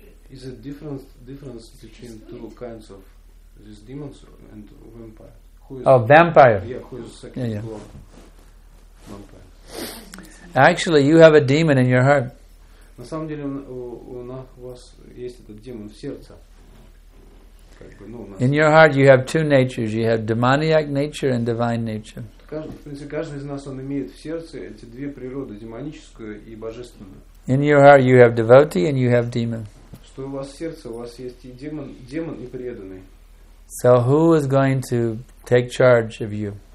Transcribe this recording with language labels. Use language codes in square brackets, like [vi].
[en] Is it difference between two kinds of these demons and vampire? Vampire. Yeah, who is second floor? Vampire. Actually, you have a demon in your heart. [ru] На самом деле у вас есть этот демон в сердце. [en] In your heart, you have two natures. You have demoniac nature and divine nature. [ru] Каждый из нас, он имеет в сердце эти две природы, демоническую и божественную. [en] In your heart, you have devotee and you have demon. [ru] Что у вас в сердце, у вас есть и демон и преданный. [en] So who is going to take charge of you?